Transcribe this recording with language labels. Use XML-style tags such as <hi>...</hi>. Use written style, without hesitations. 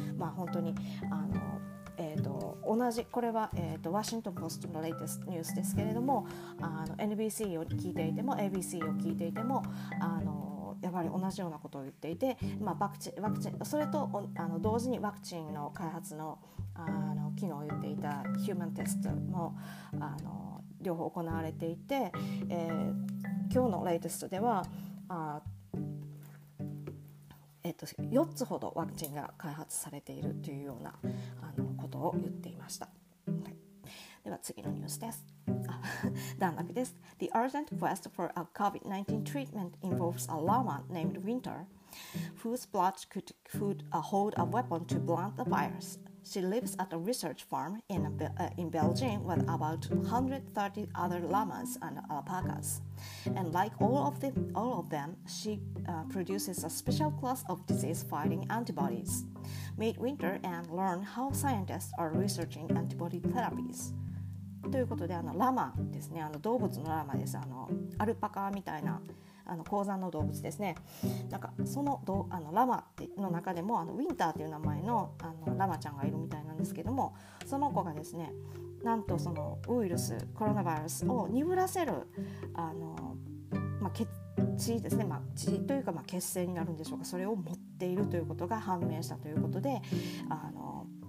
<ja>まあ本当にあの同じ、これは、ワシントンポストのレイテストニュースですけれども、あの NBC を聞いていても ABC を聞いていても、あのやっぱり同じようなことを言っていて、まあ、ワクチンそれとあの同時にワクチンの開発 の機能を言っていたヒューマンテストもあの両方行われていて、今日のレイテストでは 4つほどワクチンが開発されているというようなあのことを言っていました、はい、では次のニュースです。段落です。</ja> <en>The urgent quest for a COVID-19 treatment involves a llama named Winter, whose blood could hold a weapon to blunt the virus. She lives at a research farm in Belgium with about 130 other llamas and alpacas. And like all of them, she produces a special class of disease-fighting antibodies. Meet Winter and learn how scientists are researching antibody therapies.</en> <ja>ということで、あのラマですね、あの動物のラマです、あのアルパカみたいなあの高山の動物ですね。なんかあのラマの中でもあのウィンターという名前 あのラマちゃんがいるみたいなんですけども、その子がですね、なんとそのウイルス、コロナウイルスを鈍らせるあの、まあ、血ですね、まあ、血というか、まあ、血清になるんでしょうか、それを持っているということが判明したということで、あの</ja>